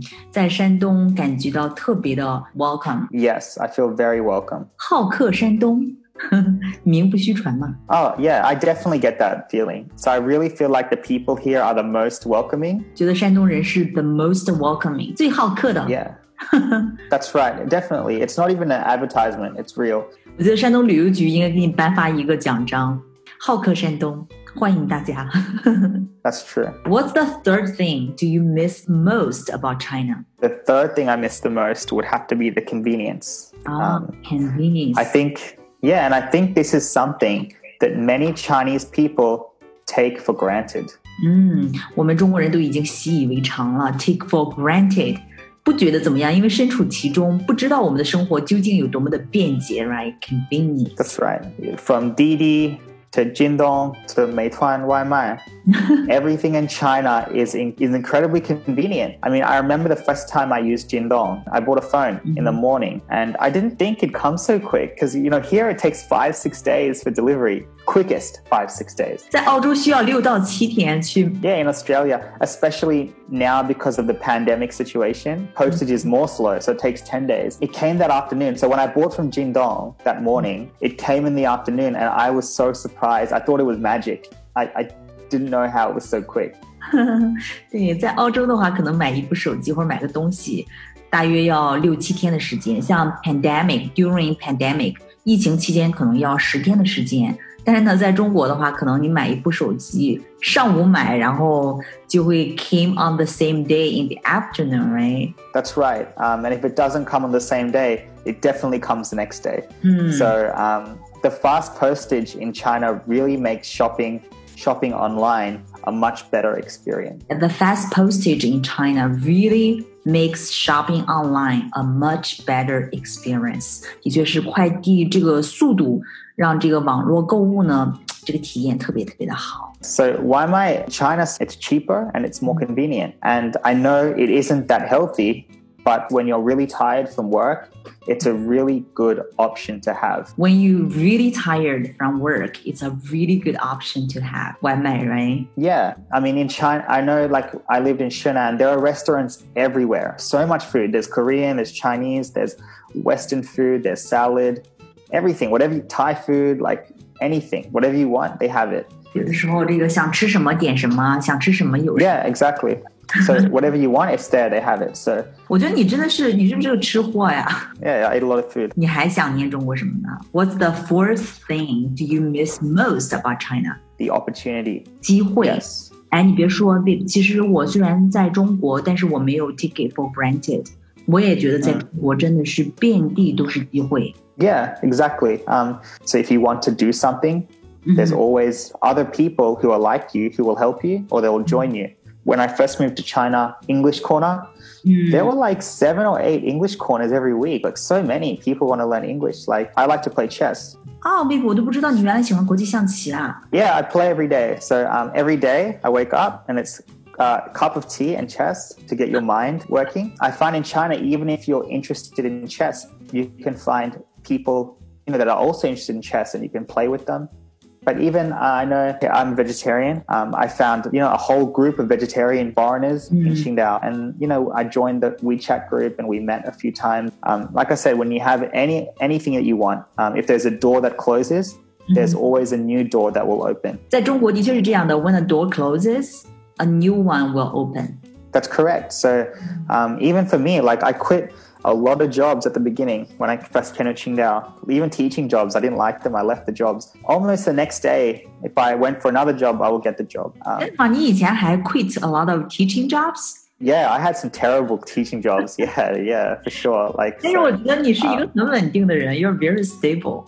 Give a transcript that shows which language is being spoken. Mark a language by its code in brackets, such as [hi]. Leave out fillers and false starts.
[zh] 在山东感觉到特别的 welcome. [en] Yes, I feel very welcome. [zh] 好客山东，名不虚传嘛。 [en] Oh, yeah, I definitely get that feeling. So I really feel like the people here are the most welcoming. [zh] 觉得山东人是 [en] the most welcoming, [zh] 最好客的。 [en] Yeah. That's right, definitely. It's not even an advertisement, it's real. [zh] 我觉得山东旅游局应该给你颁发一个奖章，好客山东，欢迎大家。 [en] That's true. What's the third thing do you miss most about China? The third thing I miss the most would have to be the convenience. Convenience. I think this is something that many Chinese people take for granted. [zh] 我们中国人都已经习以为常了 [en] take for granted. [zh] 不觉得怎么样，因为身处其中，不知道我们的生活究竟有多么的便捷 ，right? [en] Convenience. That's right. From Didi to Jingdong to Meituan Waimai, everything in China is incredibly convenient. I mean, I remember the first time I used Jingdong, I bought a phone in the morning, and I didn't think it'd come so quick because you know here it takes 5-6 days for delivery. Quickest 5-6 days. [zh] 在澳洲需要6到7天去。 [en] Yeah, in Australia, especially. Now, because of the pandemic situation, postage is more slow, so it takes 10 days. It came that afternoon. So when I bought from Jingdong that morning, it came in the afternoon, and I was so surprised. I thought it was magic. I didn't know how it was so quick. [zh] 对，在澳洲的话，可能买一部手机或者买个东西，大约要6-7天的时间。像 pandemic, [en] during pandemic, [zh] 疫情期间可能要10天的时间。但是呢在中国的话可能你买一部手机上午买然后就会 [en] came on the same day in the afternoon, [zh] right? [en] That's right. And if it doesn't come on the same day, it definitely comes the next day. So the fast postage in China really makes shopping online a much better experience. The fast postage in China really makes shopping online a much better experience. [zh] 也就是快递这个速度让这个网络购物呢这个体验特别特别的好。 [en] So why am I China? It's cheaper and it's more convenient. And I know it isn't that healthy, but when you're really tired from work, it's a really good option to have. When you're really tired from work, it's a really good option to have. Why am I, right? Yeah. I mean, in China, I know like I lived in Shenzhen, there are restaurants everywhere. So much food. There's Korean, there's Chinese, there's Western food, there's salad.Everything, whatever, Thai food, like anything, whatever you want, they have it. [zh] 有的时候这个想吃什么点什么，想吃什么有什么。 [en] Yeah, exactly. So whatever you want, it's there, they have it. So [zh] 我觉得你真的是，你是不是个吃货呀？ [en] Yeah, I eat a lot of food. [zh] 你还想念中国什么呢？ [en] What's the fourth thing do you miss most about China? The opportunity. [zh] 机会。 [en] Yes. [zh] 哎，你别说，其实我虽然在中国，但是我没有 [en] take it for granted。 [zh] 我也觉得在中国真的是遍地都是机会。 [en] Yeah, exactly. So if you want to do something, there's always other people who are like you who will help you or they will join you. When I first moved to China, English Corner, there were like 7 or 8 English Corners every week. Like so many people want to learn English. Like I like to play chess. Oh, baby, [zh] 我都不知道你原来喜欢国际象棋啊。 [en] Yeah, I play every day. So every day I wake up and it's a cup of tea and chess to get your mind working. I find in China, even if you're interested in chess, you can find people, you know, that are also interested in chess and you can play with them. But even, I know I'm a vegetarian. I found, you know, a whole group of vegetarian foreigners in Qingdao. And, you know, I joined the WeChat group and we met a few times. Like I said, when you have anything that you want, if there's a door that closes, there's always a new door that will open. [zh] 在中国的确是这样的。 [en] When a door closes, a new one will open. That's correct. So even for me, like I quit... A lot of jobs at the beginning when I first came to Qingdao, even teaching jobs, I didn't like them. I left the jobs. Almost the next day, if I went for another job, I would get the job. You [zh] 以前还 [en] quit a lot of teaching jobs? Yeah, I had some terrible teaching jobs. Yeah, for sure. Like, [zh] 但是我觉得你是一个很稳定的人 [en] You're very stable.